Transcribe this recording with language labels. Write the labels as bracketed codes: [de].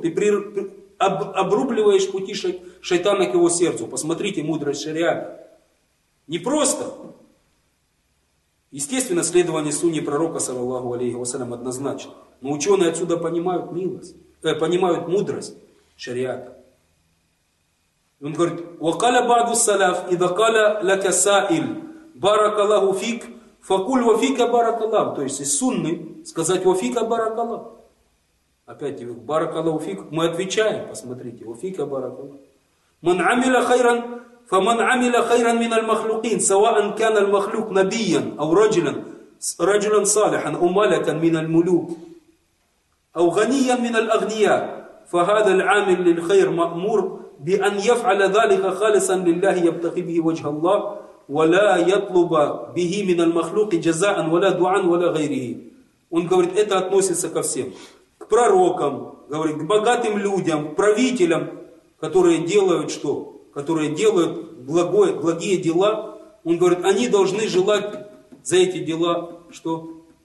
[ru] Ты обрубливаешь пути шайтана к его сердцу. Посмотрите, мудрость шариата. Не просто. Естественно, следование сунне пророка, саллаллаху алейхи вассалям, однозначно. Но ученые отсюда понимают понимают мудрость шариата. Он говорит: [ar] وقال بعض السلف إذا قال لك سائل بارك الله فيك فقل وفيك بارك الله. [ru] То есть из сунны сказать [ar] وفيك بارك الله. [ru] Опять [ar] بارك الله فيك. [ru] Мы отвечаем, посмотрите, [ar] وفيك بارك الله. من عمل خيرا فمن عمل خيرا من المخلوقين سواء كان المخلوق نبيا أو رجلا صالحا أو ملكا من الملوك أو غنيا من الأغنياء فهذا العامل للخير مأمور بأن يفعل ذلك خالصا لله يبتغي به وجه الله ولا يطلب به من المخلوق جزاء ولا دعاء ولا غيره. [ru] Он говорит, это относится ко всем. К пророкам, говорит, к богатым людям, к правителям, которые делают что? Которые делают благие дела. Он говорит, они должны желать за эти дела что?